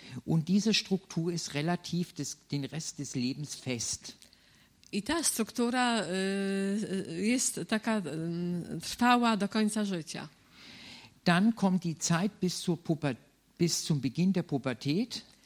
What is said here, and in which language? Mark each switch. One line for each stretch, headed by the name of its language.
German: Und diese Struktur ist relativ des, den Rest des Lebens fest.
Polish: I ta struktura jest taka trwała do końca życia.
German: Dann kommt die Zeit bis zur bis zum Beginn der Pubertät.